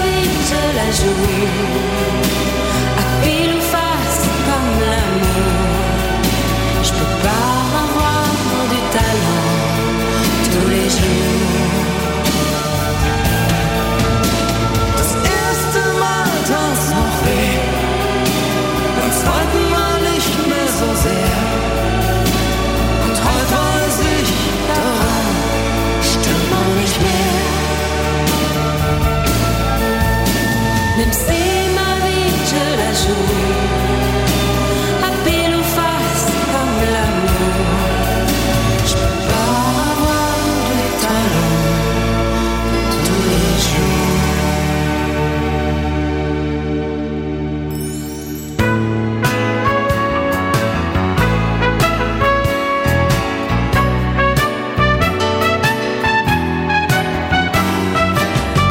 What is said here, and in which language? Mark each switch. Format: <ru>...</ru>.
<fr>À pile ou face comme l'amour, je peux pas avoir du talent tous les jours.</fr> <de>Das erste Mal tat's noch weh, beim zweiten Mal nicht mehr so sehr. Und heute weiß ich, daran stimmt man nicht mehr.</de> <fr>Même si ma vie je la joue à pile ou face comme l'amour, je peux pas avoir du talent tous les jours.</fr>